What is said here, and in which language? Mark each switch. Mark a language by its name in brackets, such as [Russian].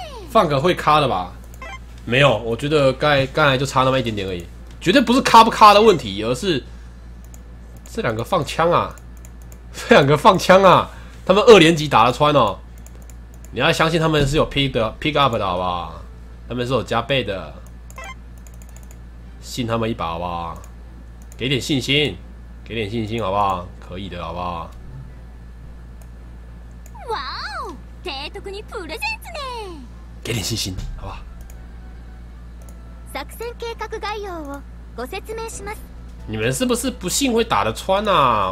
[Chinese] 放个会卡的吧？没有，我觉得刚才就差那么一点点而已，绝对不是卡不卡的问题，而是这两个放枪啊，这两个放枪啊，他们二连击打得穿哦。你要相信他们是有 pick up 的好不好？他们是有加倍的。信他们一把好不好？给点信心，给点信心好不好？可以的，好不好？ [Japanese] 哇哦，提督にプレゼントね。 [Chinese] 给点信心，好不好？ [Japanese] 作戦計画概要をご説明します。 [Chinese] 你们是不是不信会打得穿啊？